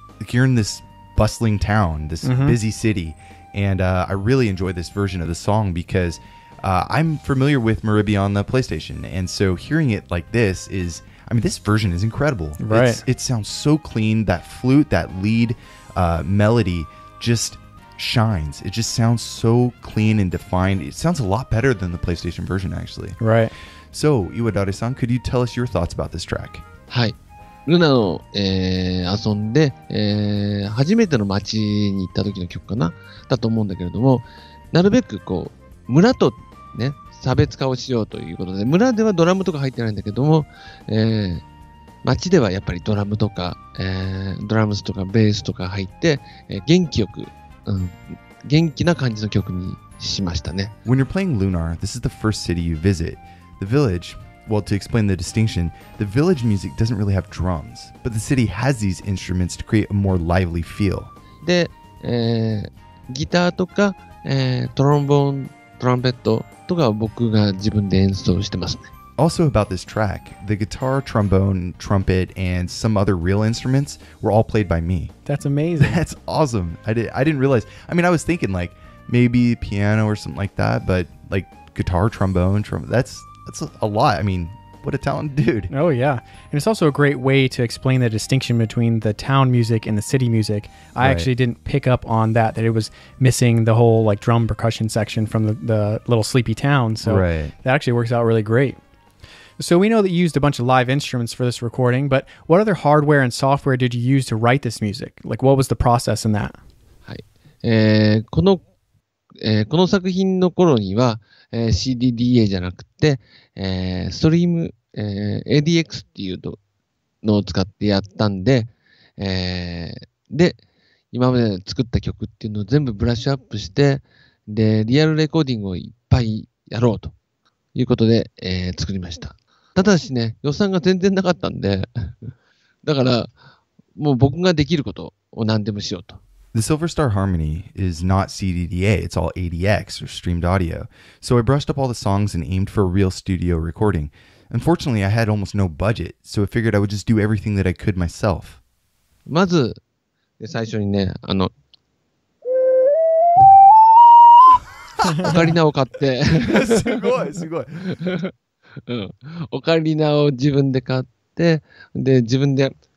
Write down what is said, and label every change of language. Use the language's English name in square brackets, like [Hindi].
[English] you're in this bustling town, this busy city, and I really enjoy this version of the song because I'm familiar with Maribi on the PlayStation, and so hearing it like this is, I mean, this version is incredible. Right. It sounds so clean. That flute, that lead melody just shines. It just sounds so clean and defined. It sounds a lot better than the PlayStation version, actually. Right. So, Iwadare-san, could you tell us your thoughts about this track? Hi. [Japanese] Luna の、遊んで、初めての街に行った時の曲かなだと思うんだけれども、なるべくこう村とね差別化をしようということで、村ではドラムとか入ってないんだけども、街ではやっぱりドラムとか、ドラムスとかベースとか入って、元気よく、元気な感じの曲にしましたね。 [English] When you're playing Lunar, this is the first city you visit. The village... Well, to explain the distinction, the village music doesn't really have drums, but the city has these instruments to create a more lively feel. [Japanese] で、ギターとか、トロンボーン、トランペットとかは僕が自分で演奏してますね。 [English] Also about this track, the guitar, trombone, trumpet, and some other real instruments were all played by me. That's amazing. That's awesome. I didn't realize. I mean, I was thinking like maybe piano or something like that, but like guitar, trombone, trumpet, That's a lot. I mean, what a talented dude. Oh, yeah. And it's also a great way to explain the distinction between the town music and the city music. I actually didn't pick up on that it was missing the whole like drum percussion section from the little sleepy town. So that actually works out really great. So we know that you used a bunch of live instruments for this recording, but what other hardware and software did you use to write this music? Like, what was the process in that? [Japanese] はい。この作品の頃には、CDDA じゃなくて、ストリーム、ADX っていうのを使ってやったんで、で今まで作った曲っていうのを全部ブラッシュアップしてでリアルレコーディングをいっぱいやろうということで、作りました。ただしね予算が全然なかったんでだからもう僕ができることを何でもしようと。 [English] The Silver Star Harmony is not CDDA, it's all ADX, or streamed audio. So I brushed up all the songs and aimed for a real studio recording. Unfortunately, I had almost no budget, so I figured I would just do everything that I could myself. [Japanese] まず、最初にね、オカリナを買って。すごい、すごい。オカリナを自分で買って、で、自分で、